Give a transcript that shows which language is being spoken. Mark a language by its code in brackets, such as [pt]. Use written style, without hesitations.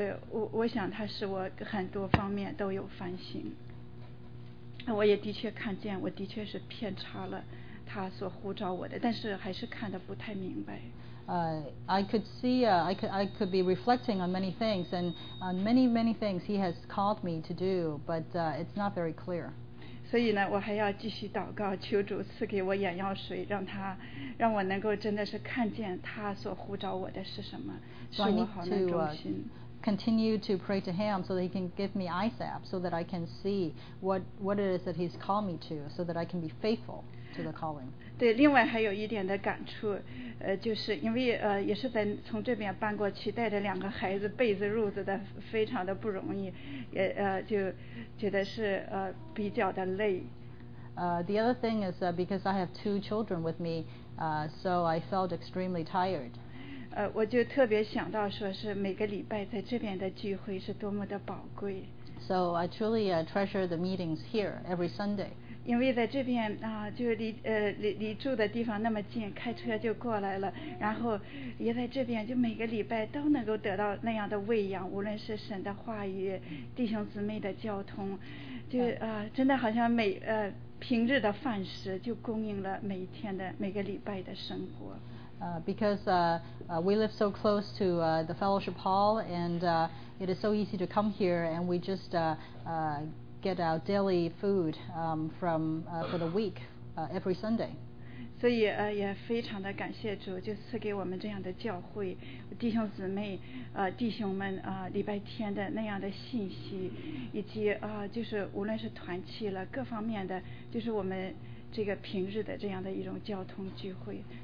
[zh] 我想他是我很多方面都有反省，我也的确看见我的确是偏差了他所呼召我的，但是还是看得不太明白。 [en] I could be reflecting on many things, and on many, many things he has called me to do, but it's not very clear. [zh] 所以呢，我还要继续祷告，求主赐给我眼药水，让我能够真的是看见他所呼召我的是什么，是我好能忠心。 [en] Continue to pray to him so that he can give me eyesight so that I can see what it is that he's called me to, so that I can be faithful to the calling. [zh] 对，另外还有一点的感触，就是因为也是在从这边搬过去，带着两个孩子被子褥子的，非常的不容易，也就觉得是比较的累。 [en] The other thing is because I have two children with me, so I felt extremely tired. [zh] 我就特别想到说是每个礼拜在这边的聚会是多么的宝贵。 [en] So I truly treasure the meetings here every Sunday. [zh] 因为在这边就离住的地方那么近，开车就过来了，然后也在这边就每个礼拜都能够得到那样的喂养，无论是神的话语、弟兄姊妹的交通，就真的好像每平日的饭食就供应了每一天的每个礼拜的生活。 [en] Because we live so close to the fellowship hall, and it is so easy to come here, and we just get our daily food from for the week every Sunday. [zh] 所以也非常的感谢主，就赐给我们这样的教会，弟兄姊妹，弟兄们礼拜天的那样的信息，以及就是无论是团契了各方面的，就是我们这个平日的这样的一种交通聚会。